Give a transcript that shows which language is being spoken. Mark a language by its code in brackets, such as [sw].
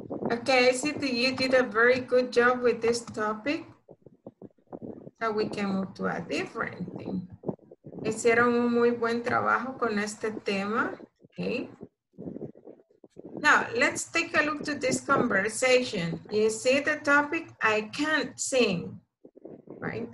[en] Okay, Siti, you did a very good job with this topic. So we can move to a different thing. [es] Hicieron un muy buen trabajo con este tema. [en] Okay. Now, let's take a look to this conversation. You see the topic, I can't sing, right?